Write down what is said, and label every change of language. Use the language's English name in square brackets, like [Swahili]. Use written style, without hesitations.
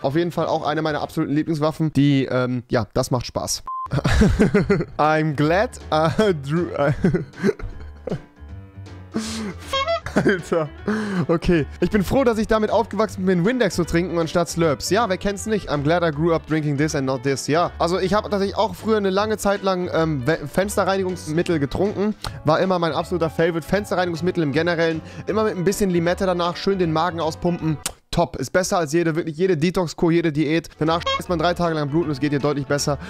[German] Auf jeden Fall auch eine meiner absoluten Lieblingswaffen, die, ja, das macht Spaß. [English] I'm glad I drew... [German] Alter, okay. Ich bin froh, dass ich damit aufgewachsen bin, Windex zu trinken anstatt Slurps. Ja, wer kennt's nicht? [English] I'm glad I grew up drinking this and not this, ja. [German] Also ich habe tatsächlich auch früher eine lange Zeit lang Fensterreinigungsmittel getrunken. War immer mein absoluter Favorite. Fensterreinigungsmittel im Generellen. Immer mit ein bisschen Limette danach, schön den Magen auspumpen. Top. Ist besser als jede, wirklich jede Detox-Kur, jede Diät. Danach ist man 3 Tage lang bluten, es geht dir deutlich besser.